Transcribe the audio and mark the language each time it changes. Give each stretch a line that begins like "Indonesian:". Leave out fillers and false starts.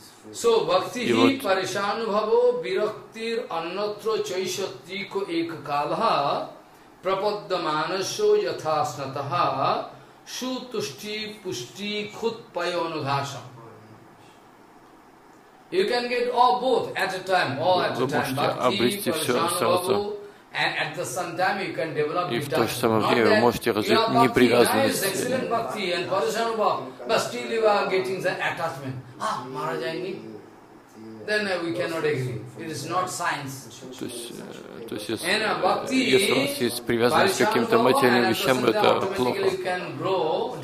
Sanskrit: So, bhakti hi parishanubhavo viraktir annatra chaishatriko ekakalaha prapaddamanasho yathasnataha shu tushti pushti khutpayo anughasam.
English: You can get all both at a time, all at a time.
Russian: Можете обрести все сразу.
English: And at the same time, you can develop.
Russian: И в то же самое время вы можете развить непривязанность.
English: But still, you are getting the attachment. Marajani. Then we cannot agree. It is not science.
Russian: То есть, если у вас есть привязанность к каким-то материальным вещам, это плохо.